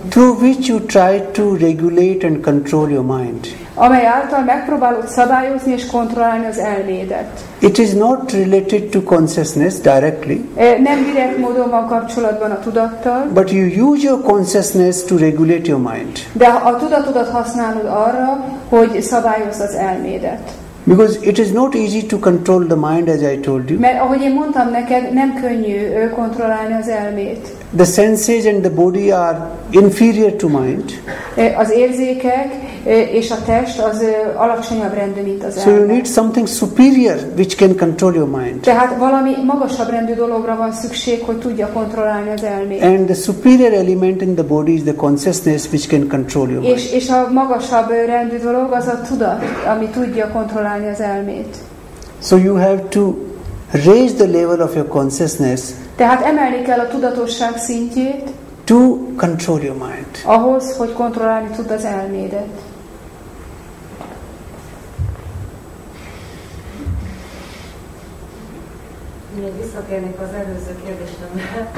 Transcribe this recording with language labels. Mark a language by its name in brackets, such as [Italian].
[English] Through which you try to regulate and control your mind. [Hungarian] Amely által megpróbálod szabályozni és kontrollálni az elmédet. [English] It is not related to consciousness directly. [Hungarian] Nem direkt módon van kapcsolatban a tudattal. [English] But you use your consciousness to regulate your mind. [Hungarian] De a tudatodat használod arra, hogy szabályozd az elmédet. [English] Because it is not easy to control the mind, as I told you. [Hungarian] Mert ahogy én mondtam neked, nem könnyű kontrollálni az elmét. [English] The senses and the body are inferior to mind. [Hungarian] Az érzékek és a test az alacsonyabb rendű, mint az elme. [English] So you need something superior which can control your mind. [Hungarian] Tehát valami magasabb rendű dologra van szükség, hogy tudja kontrollálni az elmét. [English] And the superior element in the body is the consciousness which can control your mind. [Hungarian] És a magasabb rendű dolog az a tudat, ami tudja kontrollálni az elmét. [English] So you have to raise the level of your consciousness. [Hungarian] Tehát emelni kell a tudatosság szintjét. [English] To control your mind. [Hungarian] Ahhoz, hogy kontrollálni tud az elmédet. Még visszatérnék az előző kérdésemre.